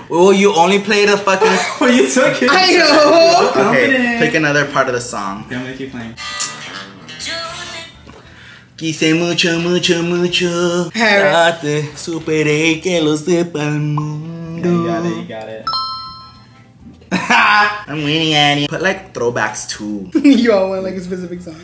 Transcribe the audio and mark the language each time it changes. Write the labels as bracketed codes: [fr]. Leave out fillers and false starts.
[en] Well, you only played a fucking. Well, you took it. I know. Okay, pick another part of the song. Okay, I'm gonna keep playing. [es] Quise mucho, mucho, mucho. Ya te superé que lo sepa el mundo. [en] You got it, you got it. I'm winning, Annie. Put like throwbacks too. You all want like a specific song.